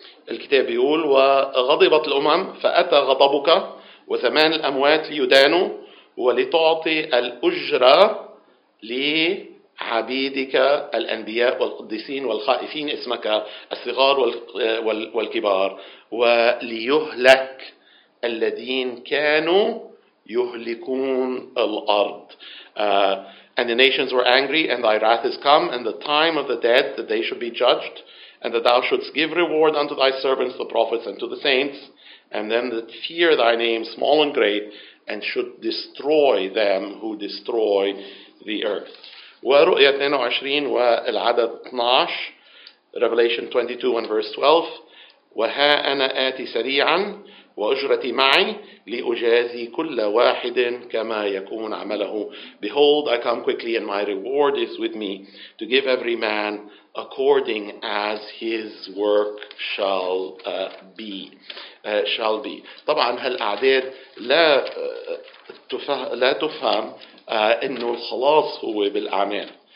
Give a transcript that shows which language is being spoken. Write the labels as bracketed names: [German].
[Arabic] الكتاب يقول وغضبت الأمم فأتى غضبك وزمان الأموات ليدانوا ولتعطي الأجرة لعبيدك الأنبياء والقديسين والخائفين اسمك الصغار والكبار وليهلك الذين كانوا يهلكون الأرض. [English] And the nations were angry and thy wrath is come and the time of the dead that they should be judged. And that thou shouldst give reward unto thy servants, the prophets, and to the saints, and them that fear thy name, small and great, and should destroy them who destroy the earth. [Arabic] ورؤية 22 والعدد 12. [English] Revelation 22 and verse 12. [Arabic] وها أنا آتي سريعا وأجرتي معي لأجازي كل واحد كما يكون عمله. [English] Behold, I come quickly, and my reward is with me, to give every man according as his work shall be. [Arabic] طبعا هالأعداد لا تفهم إنه الخلاص هو بالأعمال.